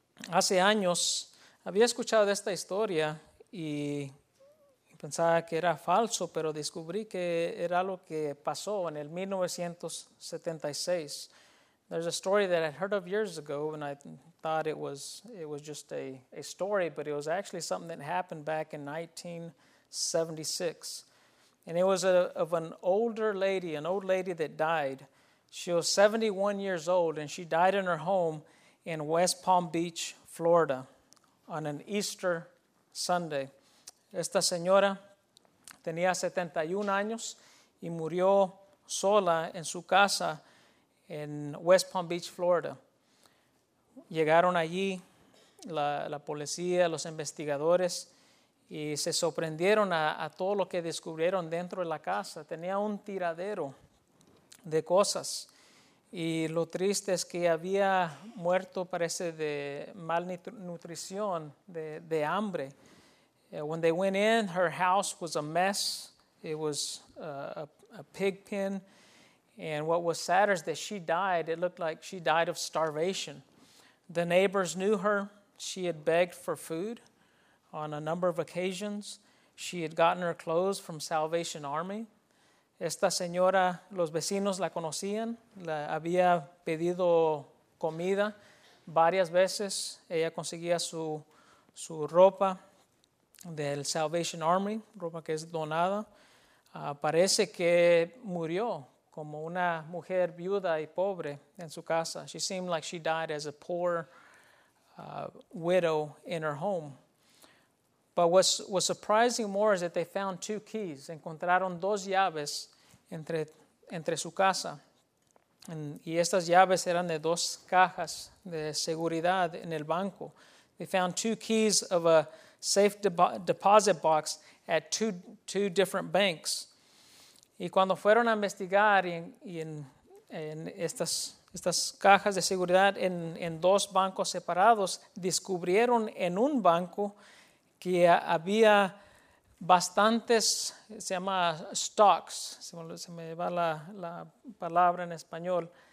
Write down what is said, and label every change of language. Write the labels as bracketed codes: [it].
[es] Hace años había escuchado esta historia y pensaba que era falso, pero descubrí que era lo que pasó en el 1976. [en] There's a story that I heard of years ago, and I thought it was just a story, but it was actually something that happened back in 1976. And it was of an older lady, an old lady that died. She was 71 years old, and she died in her home in West Palm Beach, Florida, on an Easter Sunday. [es] Esta señora tenía 71 años y murió sola en su casa en West Palm Beach, Florida. Llegaron allí la policía, los investigadores, y se sorprendieron a todo lo que descubrieron dentro de la casa. Tenía un tiradero de cosas. Y lo triste es que había muerto, parece, de malnutrición, de hambre. [en] When they went in, her house was a mess. It was a pig pen. And what was sadder is that she died. It looked like she died of starvation. The neighbors knew her. She had begged for food on a number of occasions. She had gotten her clothes from Salvation Army. [es] Esta señora, los vecinos la conocían. La había pedido comida varias veces. Ella conseguía su ropa del Salvation Army, ropa que es donada. Parece que murió como una mujer viuda y pobre en su casa. [en] She seemed like she died as a poor widow in her home. But what's surprising more is that they found two keys. [es] Encontraron dos llaves entre su casa. Y estas llaves eran de dos cajas de seguridad en el banco. [en] They found two keys of a safe deposit box at two different banks. [es] Y cuando fueron a investigar y en estas cajas de seguridad en dos bancos separados, descubrieron en un banco que había bastantes, se llama stocks, se me va la palabra en español,